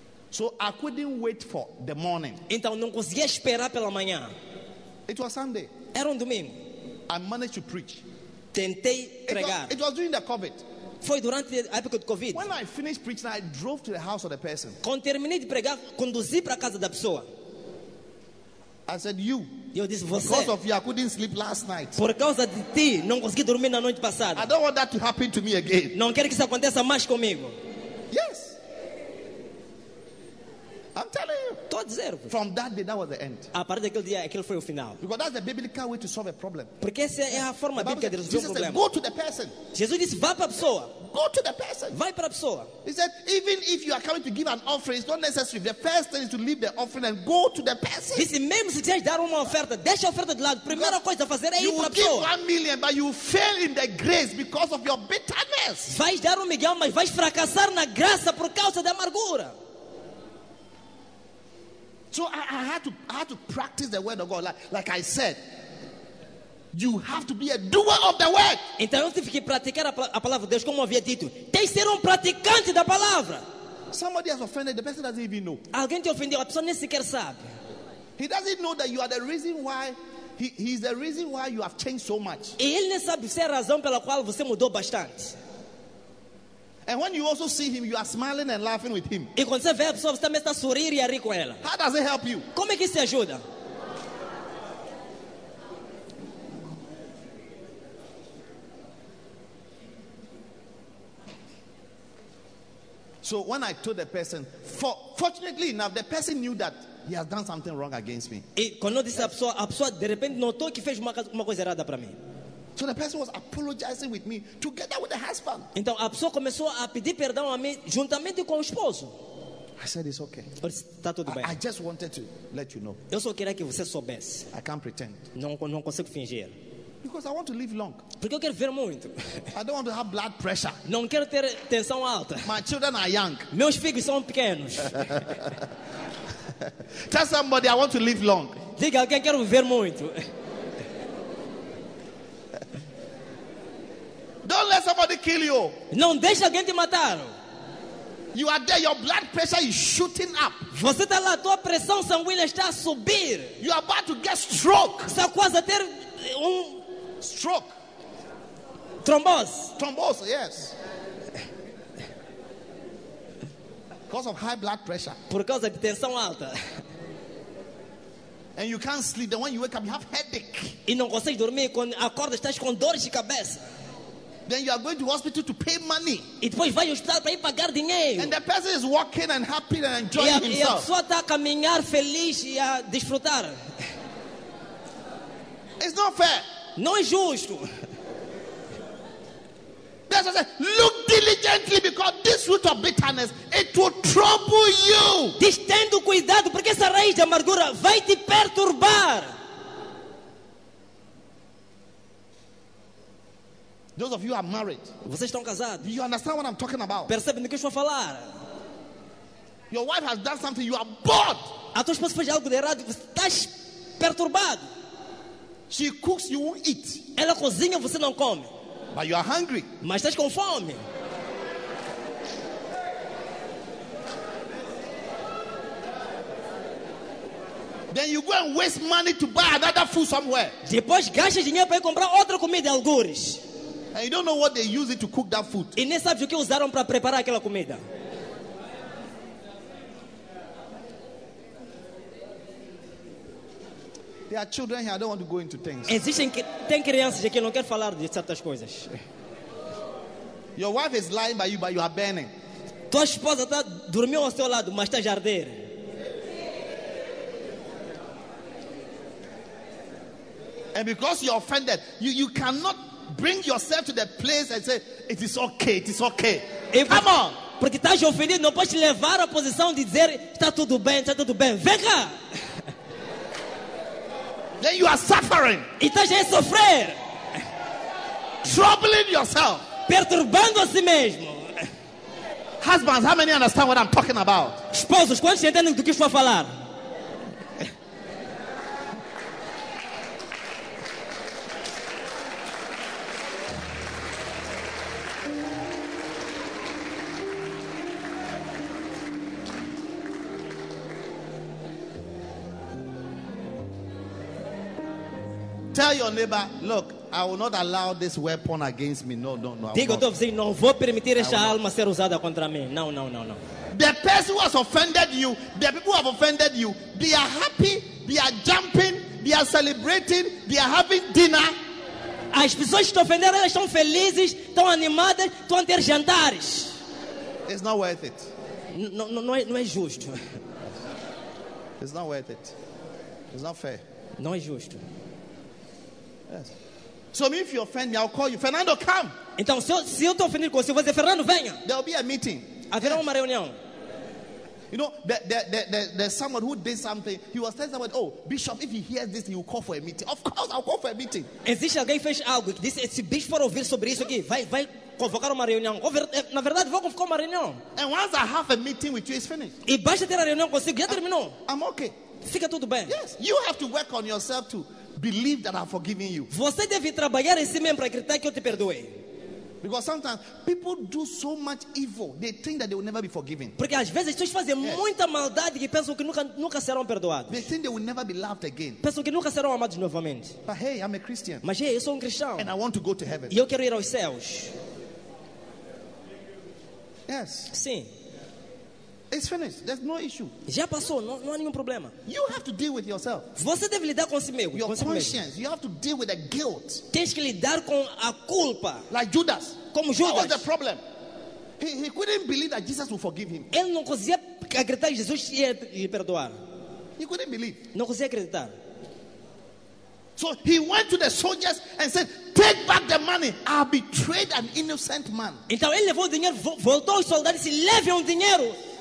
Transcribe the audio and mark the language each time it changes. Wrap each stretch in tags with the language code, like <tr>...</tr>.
<en>So I couldn't wait for the morning.</en> <pt>Então não conseguia esperar pela manhã.</pt> <en>It was Sunday.</en> <pt>Era domingo.</pt> <en>I managed to preach.</en> <pt>Tentei pregar.</pt> <en>It was during the COVID.</en> <pt>Foi durante a época de COVID.</pt> <en>When I finished preaching, I drove to the house of the person.</en> <pt>Quando terminei de pregar, conduzi para a casa da pessoa.</pt> <en>I said you.</en> <pt>Eu disse, você,</pt> <en>because of you, I couldn't sleep last night.</en> <pt>Por causa de ti, não consegui dormir na noite passada.</pt> <en>I don't want that to happen to me again.</en> <pt>Não quero que isso aconteça mais comigo.</pt> <en>Yes. I'm telling you.</en> <pt>Estou a dizer-vos.</pt> <en>From that day, that was the end.</en> <pt>A partir daquele dia, aquele foi o final.</pt> <en>Because that's the biblical way to solve a problem.</en> <pt>Porque essa é a forma bíblica de resolver o problema.</pt> <en>Jesus said, go to the person.</en> <pt>Jesus disse, vá para a pessoa.</pt> <en>Go to the person.</en> <pt>Vai para a pessoa.</pt> <en>He said, even if you are coming to give an offering, it's not necessary. The first thing is to leave the offering and go to the person.</en> <pt>Disse, mesmo se quiser dar uma oferta, deixa a oferta de lado. Primeira coisa a fazer é ir para a pessoa.</pt> <en>You give 1 million, but you fail in the grace because of your bitterness.</en> <pt>Vai dar 1 milhão, mas vai fracassar na graça por causa da amargura.</pt> <en>So I had to practice the word of God, like I said. You have to be a doer of the word.</en> <pt>Então eu tive que praticar a palavra de Deus, como eu havia dito. Tem que ser praticante da palavra.</pt> <en>Somebody has offended, the person doesn't even know.</en> <pt>Alguém te ofendeu, a pessoa nem sequer sabe.</pt> <en>He doesn't know that you are the reason why he is the reason why you have changed so much.</en> <pt>E ele nem sabe se é a razão pela qual você mudou bastante.</pt> <en>And when you also see him, you are smiling and laughing with him.</en> <pt>E quando você vê a pessoa, você também está a sorrir e a rir com ela.</pt> <en>How does it help you?</en> <pt>Como é que isso te ajuda?</pt> <en>So when I told the person, fortunately enough, the person knew that he has done something wrong against me.</en> <pt>E quando disse a pessoa de repente notou que fez uma coisa errada para mim.</pt> <en>So the person was apologizing with me together with the husband.</en> <pt>Então a pessoa começou a pedir perdão a mim juntamente com o esposo.</pt> <en>I said it's okay.</en> <pt>Eu disse, tá tudo bem.</pt> <en>I just wanted to let you know.</en> <pt>Eu só queria que você soubesse.</pt> <en>I can't pretend.</en> <pt>Não consigo fingir.</pt> <en>Because I want to live long.</en> <pt>Porque eu quero viver muito.</pt> <en>I don't want to have blood pressure.</en> <pt>Não quero ter tensão alta.</pt> <en>My children are young.</en> <pt>Meus filhos são pequenos.</pt> <en>Tell somebody I want to live long.</en> <pt>Diga alguém, quero viver muito.</pt> <en>Don't let somebody kill you.</en> <pt>Não deixe alguém te matar.</pt> <en>You are there, your blood pressure is shooting up.</en> <pt>Você está lá, tua pressão sanguínea está a subir.</pt> <en>You are about to get stroke.</en> <pt>Está quase a ter</pt> <en>stroke.</en> <pt>Thrombose,</pt> <en>yes. Because of high blood pressure.</en> <pt>Por causa de tensão alta.</pt> <en>And you can't sleep. Then when you wake up, you have headache.</en> <pt>E não consegue dormir. Quando acorda, estás com dores de cabeça.</pt> <en>Then you are going to hospital to pay money.</en> <pt>E depois vai ao hospital para ir pagar dinheiro.</pt> <en>And the person is walking and happy and enjoying himself.</en> <pt>E a pessoa está a caminhar feliz e a desfrutar.</pt> <en>It's not fair.</en> <pt>Não é justo.</pt> <en>That's what I said. Look diligently, because this root of bitterness, it will trouble you.</en> <pt>Diz, tendo cuidado, porque essa raiz de amargura vai te perturbar.</pt> <en>Those of you who are married.</en> <pt>Vocês estão casados.</pt> <en>Do you understand what I'm talking about?</en> <pt>Percebem do que estou a falar?</pt> <en>Your wife has done something, you are bored.</en> <pt>A tua esposa fez algo de errado, você está perturbado.</pt> <en>She cooks, you won't eat.</en> <pt>Ela cozinha, você não come.</pt> <en>But you are hungry.</en> <pt>Mas estás com fome.</pt> <en>Then you go and waste money to buy another food somewhere.</en> <pt>Depois gasta dinheiro para comprar outra comida algures.</pt> <en>And you don't know what they use it to cook that food.</en> <pt>E nem sabes o que usaram para preparar aquela comida.</pt> <en>There are children here. I don't want to go into things.</en> <pt>Existem tem crianças aqui. Não quero falar de certas coisas.</pt> <en>Your wife is lying by you, but you are burning.</en> <pt>Tua esposa está dormindo ao seu lado, mas está ardendo.</pt> <en>And because you're offended, you cannot bring yourself to the place and say it is okay, it is okay. Come on.</en> <pt>Porque estás ofendido, não podes levar a posição de dizer está tudo bem, está tudo bem. Vem cá.</pt> <en>Then you are suffering.</en> <pt>Estás a sofrer.</pt> <en>Troubling yourself.</en> <pt>Perturbando a si mesmo.</pt> <en>Husbands, how many understand what I'm talking about?</en> <pt>Esposos, quantos entendem do que estou a falar?</pt> <en>Tell your neighbor, look, I will not allow this weapon against me. No, no, no.</en> <pt>Digo, estou dizendo, não vou permitir esta alma ser usada contra mim.</pt> <en>No, no, no, no. The person who has offended you, the people who have offended you, they are happy, they are jumping, they are celebrating, they are having dinner.</en> <pt>As pessoas que te ofenderam, elas estão felizes, estão animadas, estão a ter jantares.</pt> <en>It's not worth it.</en> <pt>Não é justo.</pt> <en>It's not worth it. It's not fair.</en> <pt>Não é justo.</pt> <en>Yes. So if you offend me, I'll call you. Fernando, come.</en> <pt>Então, se eu estou ofendido com você, eu vou dizer, Fernando, venha.</pt> <en>There will be a meeting.</en> <pt>Haverá uma reunião.</pt> <en>You know, there's someone who did something. He was telling someone, oh, Bishop, if he hears this, he will call for a meeting. Of course, I'll call for a meeting.</en> <pt>Existe alguém que fez algo. Disse, esse bicho for ouvir sobre isso aqui. Vai convocar uma reunião. Na verdade, vou convocar uma reunião.</pt> <en>And once I have a meeting with you, it's finished.</en> <pt>E basta ter a reunião consigo, já terminou.</pt> <en>I'm okay.</en> <pt>Fica tudo bem.</pt> <en>Yes, you have to work on yourself too. Believe that I've forgiven you.</en> <pt>Você deve trabalhar em si mesmo para acreditar que eu te perdoei.</pt> <en>Because sometimes people do so much evil, they think that they will never be forgiven.</en> <pt>Porque às vezes pessoas fazem muita maldade que pensam que nunca serão perdoados.</pt> <en>They think they will never be loved again.</en> <pt>Pensam que nunca serão amados novamente.</pt> <en>But hey, I'm a Christian.</en> <pt>Mas eu sou cristão.</pt> <en>And I want to go to heaven.</en> <pt>E eu quero ir aos céus.</pt> <en>Yes.</en> <pt>Sim.</pt> <en>It's finished. There's no issue.</en> <pt>Já passou, não há nenhum problema.</pt> <en>You have to deal with yourself.</en> <pt>Você deve lidar com si mesmo.</pt> <en>Your conscience. You have to deal with the guilt.</en> <pt>Tens que lidar com a culpa.</pt> <en>Like Judas.</en> <pt>Como Judas.</pt> <en>That was the problem. He couldn't believe that Jesus would forgive him.</en> <pt>Ele não conseguia acreditar que Jesus ia lhe perdoar.</pt> <en>He couldn't believe.</en> <pt>Não conseguia acreditar.</pt> <en>So he went to the soldiers and said, "Take back the money. I betrayed an innocent man."</en> <pt>Então ele levou o dinheiro, voltou aos soldados e disse, "Leve o dinheiro."</pt>